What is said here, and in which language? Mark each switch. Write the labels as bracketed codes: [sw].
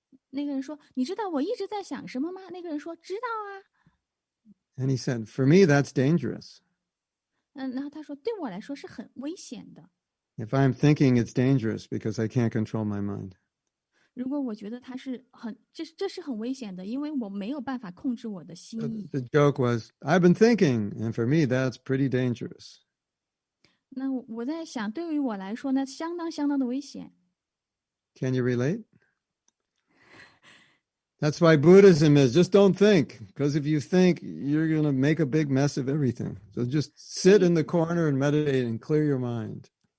[zh] 那个人说：“你知道我一直在想什么吗？” 那个人说：“知道啊。” [en] And he said, for me, that's dangerous. [zh] 然后他说：“对我来说是很危险的。” [en] If I'm thinking, it's dangerous because I can't control my mind. [zh] 如果我觉得它是很，这是很危险的，因为我没有办法控制我的心意。The [en] joke was, I've been thinking, and for me, that's pretty dangerous. [zh] 那我在想，对于我来说呢，相当相当的危险。Can [en] you relate? That's why Buddhism is, just don't think, because if you think, you're going to make a big mess of everything. So just sit in the corner and meditate and clear your mind.